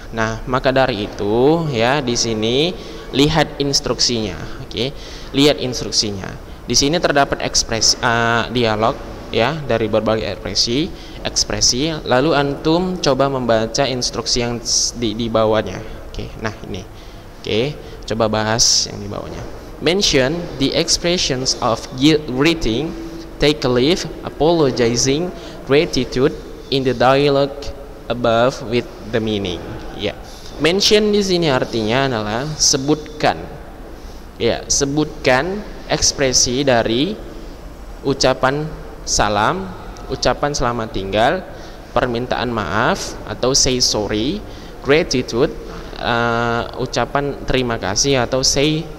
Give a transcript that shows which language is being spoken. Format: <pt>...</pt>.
<id>Nah, maka dari itu, ya, di sini lihat instruksinya. Oke. Lihat instruksinya. Di sini terdapat ekspresi dialog, ya, dari berbagai ekspresi, lalu antum coba membaca instruksi yang di bawahnya. Oke, nah ini. Oke, coba bahas yang di bawahnya.</id> <en>Mention the expressions of greeting, take a leave, apologizing, gratitude in the dialogue above with the meaning.</en> <id>Ya. Mention di sini artinya adalah sebutkan. Ya, sebutkan ekspresi dari ucapan salam, ucapan selamat tinggal, permintaan maaf atau</id> <en>say sorry,</en> <id>gratitude, ucapan terima kasih atau say</id>